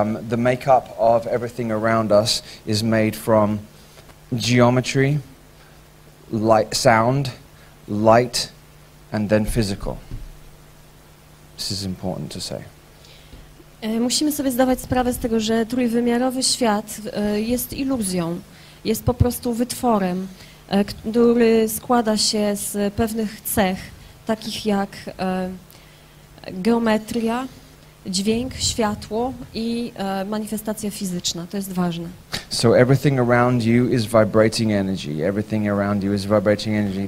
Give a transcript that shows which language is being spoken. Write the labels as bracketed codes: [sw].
[en] The makeup of everything around us is made from geometry, light, sound, light, and then physical. This is important to say. [pl] Musimy sobie zdawać sprawę z tego, że trójwymiarowy świat jest iluzją, jest po prostu wytworem, który składa się z pewnych cech, takich jak geometria, dźwięk, światło i manifestacja fizyczna. To jest ważne. [en] So everything around you is vibrating energy. Everything around you is vibrating energy.